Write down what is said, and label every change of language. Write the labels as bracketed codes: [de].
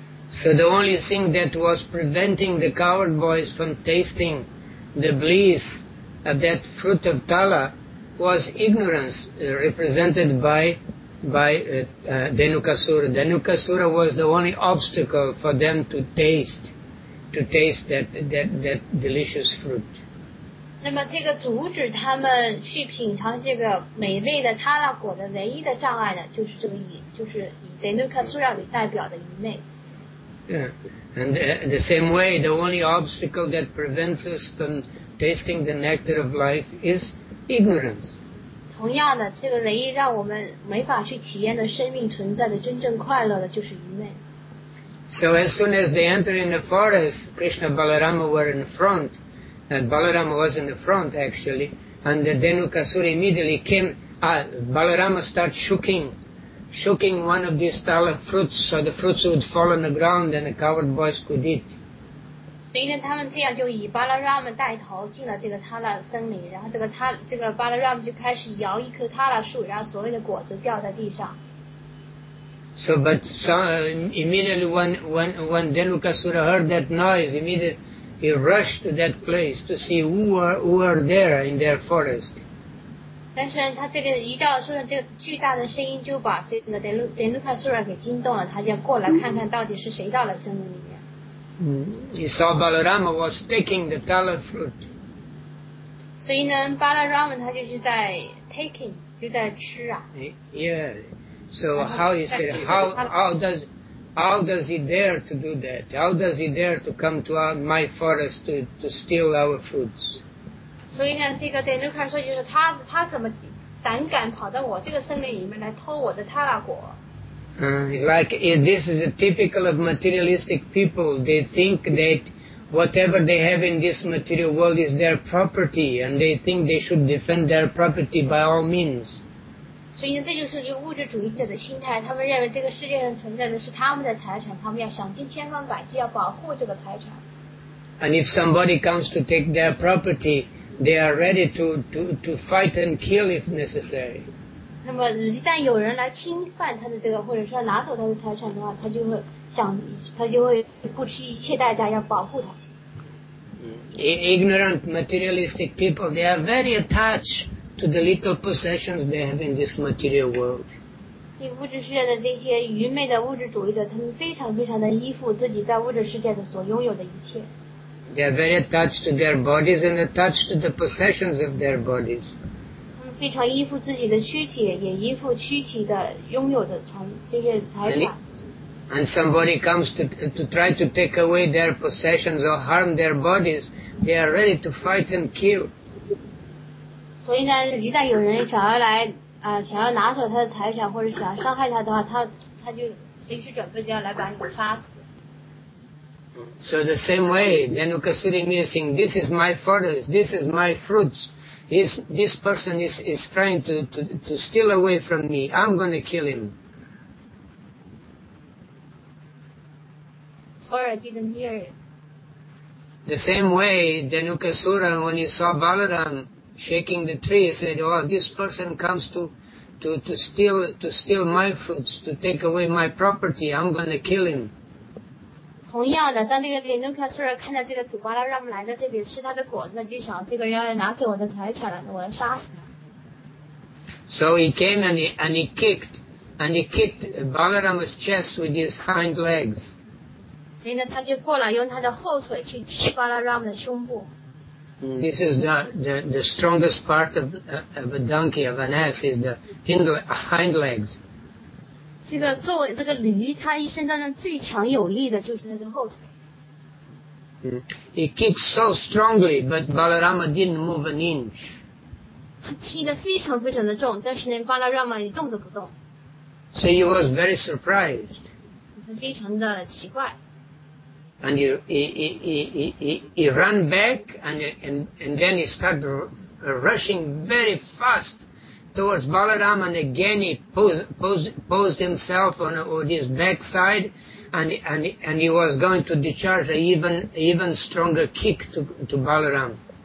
[en] So the only thing that was preventing the coward boys from tasting the bliss of that fruit of Tala was ignorance, represented by Denukasura. Denukasura was the only obstacle for them to taste that delicious fruit. [zh] 那么这个阻止他们去品尝这个美味的塔拉果的唯一的障碍呢，就是这个愚，就是以 Denukasura 为代表的愚昧。 [en] Yeah. And the same way, the only obstacle that prevents us from tasting the nectar of life is ignorance. [zh] 同样的，这个唯一让我们没法去体验的生命存在的真正快乐的就是愚昧。 [en] So as soon as they entered in the forest, Krishna and Balarama were in front, and Balarama was in the front actually, and Denukasura immediately came. Balarama started shooking one of these tala fruits so the fruits would fall on the ground and the coward boys could eat. [zh] 所以呢他们这样就以 Balarama 带头进了这个 tala 森林，然后这个 Balarama 就开始摇一棵 tala 树，然后所有的果子掉在地上。 [en] So but immediately when Denukasura heard that noise, immediately he rushed to that place to see who are there in their forest. [zh] 但是他这个一到树上，这个巨大的声音就把这个Denukasura给惊动了，他就过来看看到底是谁到了森林里面。 [en] He saw Balarama was taking the tala fruit. [zh] 所以呢 ，Balarama 他就是在 [en] taking， [zh] 就在吃啊。 [en] Yeah. So how is it? How does he dare to do that? How does he dare to come to my forest to steal our fruits? [zh] 所以呢，这个 Denukasura 就是他怎么胆敢跑到我这个森林里面来偷我的塔拉果？ [en] Like this is a typical of materialistic people. They think that whatever they have in this material world is their property, and they think they should defend their property by all means. [zh] 所以呢，这就是一个物质主义者的心态。他们认为这个世界上存在的是他们的财产，他们要想尽千方百计要保护这个财产。 [en] And if somebody comes to take their property,They are ready to fight and kill if necessary. [zh] 那么一旦有人来侵犯他的这个，或者说拿走他的财产的话，他就会不惜一切代价要保护他。 [en] Ignorant materialistic people, they are very attached to the little possessions they have in this material world. [zh] 这物质世界的这些愚昧的物质主义者，他们非常非常的依附自己在物质世界的所拥有的一切。 [en] They are very attached to their bodies and attached to the possessions of their bodies. [zh] 非常依附自己的躯体，也依附躯体的拥有的这些财产。 [en] and somebody comes to try to take away their possessions or harm their bodies, they are ready to fight and kill. [zh] 所以呢，一旦有人想要来啊、想要拿走他的财产或者想要伤害他的话，他就随时准备就要来把你杀死。 [en] So the same way, Janukasuri means saying, this is my forest, this is my fruits. This person is trying to steal away from me. I'm going to kill him. Sorry, I didn't hear you. The same way, Janukasura, when he saw Balaram shaking the tree, he said, oh, this person comes to steal my fruits, to take away my property. I'm going to kill him. [zh] 同样的，当这个林中克苏尔看到这个土巴拉让姆来到这里吃他的果子，就想这个人要拿给我的财产了，我要杀死他。 [en] So he came and he kicked Balaram's chest with his hind legs. [zh] 所以呢，他就过来用他的后腿去踢巴拉让姆的胸部。 [en] This is the strongest part of a donkey of an ass is the hind legs. [zh] 这个作为这个驴，它一生当中最强有力的就是它的后腿。 [en] He kicked so strongly, but Balarama didn't move an inch. [zh] 他踢得非常非常的重，但是那巴拉拉玛一动都不动。 [en] So he was very surprised. [zh] 他非常的奇怪。 [en] And he ran back and then he started rushing very fast. Towards Balaram and again he posed himself on his backside and he was going to discharge an even stronger kick to Balaram.